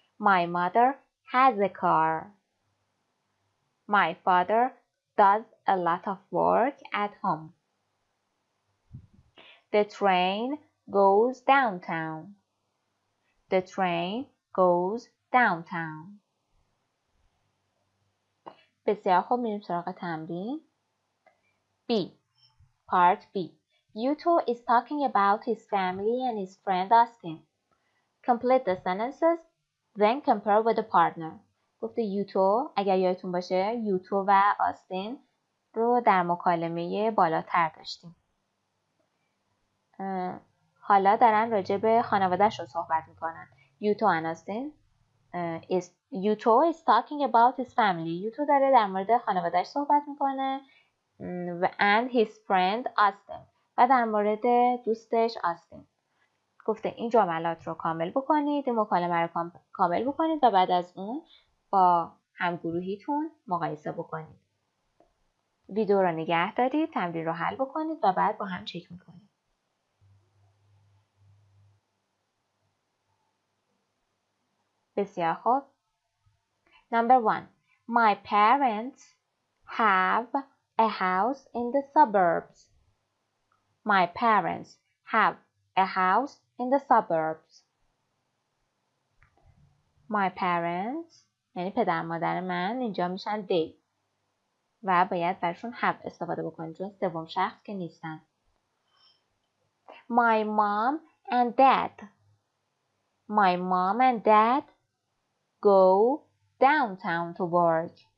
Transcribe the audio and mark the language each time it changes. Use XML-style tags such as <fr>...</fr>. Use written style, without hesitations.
<en>My mother has a car. My father does a lot of work at home. The train goes downtown. The train goes downtown.</en> <fa>بسیار خوب، میریم سراغ تمرین.</fa> <en>B. Part B. Yuto is talking about his family and his friend Austin. Complete the sentences, then compare with the partner.</en> <fa>گفته یوتو، اگر یادتون باشه یوتو و آستین رو در مکالمه بالاتر داشتیم. حالا دارن راجع به خانواده‌شون صحبت میکنن.</fa> <en>Yuto و Austin Yuto is talking about his family.</en> <fa>یوتو داره در مورد خانواده‌اش صحبت میکنه و</fa> <en>and his friend</en> <fa>آستین و در مورد دوستش آستین. گفته این جملات رو کامل بکنید، این مکالمه رو کامل بکنید و بعد از اون با همگروهیتون مقایسه بکنید. ویدیو رو نگه دارید، تمرین رو حل بکنید و بعد با هم چک میکنید. بسیار خوب.</fa> <en>Number one. My parents have a house in the suburbs. My parents have a house in the suburbs. My parents</en> <fa>یعنی پدر مادر من، اینجا میشن they و باید برشون have استفاده بکنید چون سوم شخص که نیستن.</fa> <en>My mom and dad. My mom and dad go downtown to work.</en>